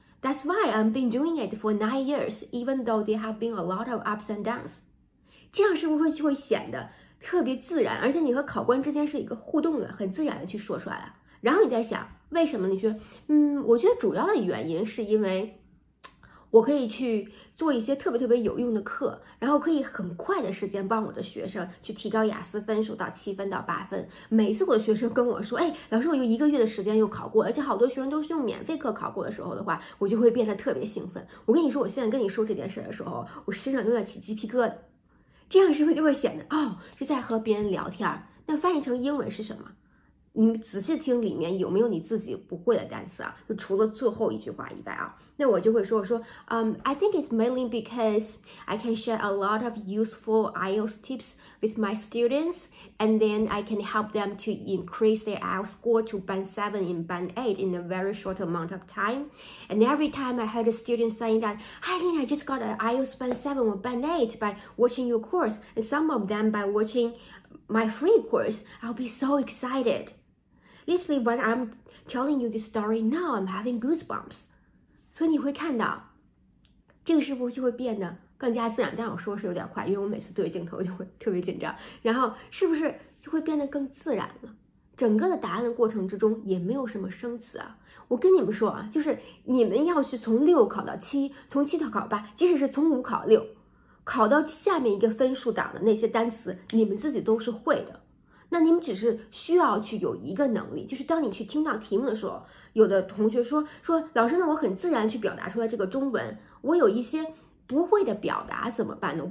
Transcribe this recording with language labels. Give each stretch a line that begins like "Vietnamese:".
English: That's why I've been doing it for 9 years, even though there have been a lot of ups and downs.
Chinese: 这样是不是就会显得特别自然，而且你和考官之间是一个互动的，很自然的去说出来了。然后你在想，为什么你说，我觉得主要的原因是因为我可以去做一些特别特别有用的课，然后可以很快的时间帮我的学生去提高雅思分数到7分到8分。每次我的学生跟我说，哎，老师我有一个月的时间又考过，而且好多学生都是用免费课考过的时候的话，我就会变得特别兴奋。我跟你说，我现在跟你说这件事的时候，我身上都在起鸡皮疙瘩。这样是不是就会显得，哦，是在和别人聊天？那翻译成英文是什么？你仔细听里面有没有你自己不会的单词啊，就除了最后一句话以外啊。
English: 那我就会说，I think it's mainly because I can share a lot of useful IELTS tips with my students, and then I can help them to increase their IELTS score to band 7 in band 8 in a very short amount of time. And every time I heard a student saying that, I think I just got an IELTS band 7 or band 8 by watching your course, and some of them by watching my free course, I'll be so excited. Literally, when I'm telling you this story now, I'm having goosebumps.
Chinese: 所以你会看到这个是不是就会变得更加自然，但我说是有点快，因为我每次对镜头就会特别紧张，然后是不是就会变得更自然了，整个的答案的过程之中也没有什么生词啊。我跟你们说啊，就是你们要去从六考到七，从七到考八，即使是从五考六，考到下面一个分数档的那些单词你们自己都是会的，那你们只是需要去有一个能力，就是当你去听到题目的时候，有的同学说老师呢，我很自然去表达出来这个中文，我有一些不会的表达怎么办呢？